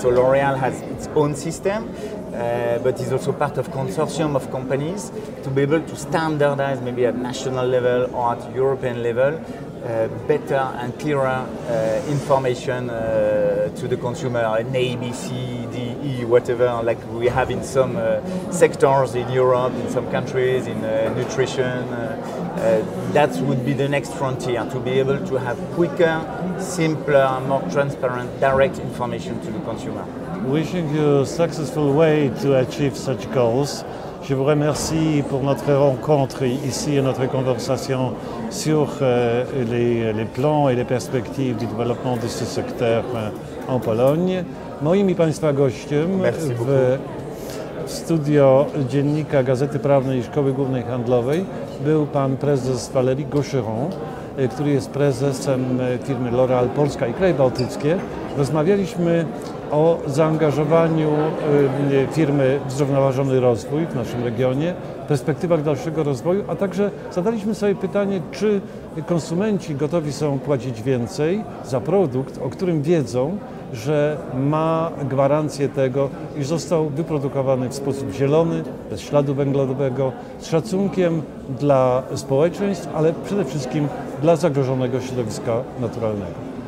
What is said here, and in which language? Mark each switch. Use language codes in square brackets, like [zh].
[en] So L'Oréal has its own system, but is also part of consortium of companies to be able to standardize maybe at national level or at European level better and clearer information to the consumer, an A, B, C, D, E, whatever, like we have in some sectors in Europe, in some countries, in nutrition. That would be the next frontier, to be able to have quicker, simpler, more transparent, direct information to the consumer. Wishing you a successful way to achieve such goals. [fr] Je vous remercie pour notre rencontre ici et notre conversation sur les plans et les perspectives du développement de ce secteur en Pologne. [pl] Moim i Państwa gościem w studio Dziennika Gazety Prawnej Szkoły Głównej Handlowej był pan prezes Valéry Gaucheron, który jest prezesem firmy L'Oréal Polska i Kraje Bałtyckie. Rozmawialiśmy o zaangażowaniu firmy w zrównoważony rozwój w naszym regionie, perspektywach dalszego rozwoju, a także zadaliśmy sobie pytanie, czy konsumenci gotowi są płacić więcej za produkt, o którym wiedzą, że ma gwarancję tego, iż został wyprodukowany w sposób zielony, bez śladu węglowego, z szacunkiem dla społeczeństw, ale przede wszystkim dla zagrożonego środowiska naturalnego.